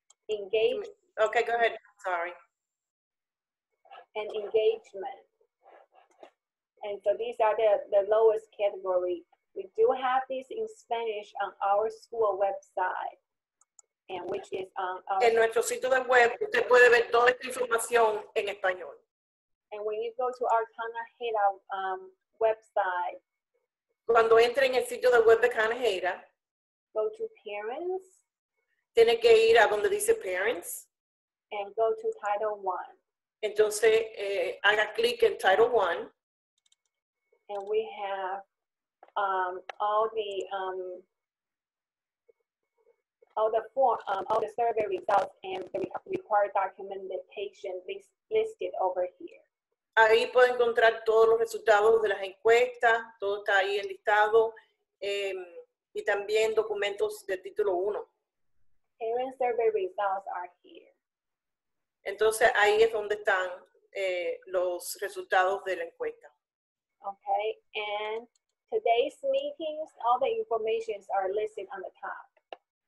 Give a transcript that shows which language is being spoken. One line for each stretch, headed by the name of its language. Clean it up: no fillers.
English: Engagement. Okay, go ahead. Sorry. And engagement. And so these are the lowest category. We do have these in Spanish on our school website. And which is on our
Spanish: En nuestro sitio de web, usted puede ver toda esta información en español.
English: And when you go to our Kanoheda website,
Spanish: cuando entre en el sitio de web de Kanoheda,
English: go to parents,
Spanish: tiene que ir a donde dice parents,
English: and go to title 1.
Spanish: Entonces, haga clic en title 1.
English: And we have all the survey results and the required documentation listed over here.
Spanish: Ahí puede encontrar todos los resultados de las encuestas, todo está ahí en listado, y también documentos de título 1.
English: Parent survey results are here.
Spanish: Entonces ahí es donde están los resultados de la encuesta.
English: Okay, and today's meetings, all the informations are listed on the top.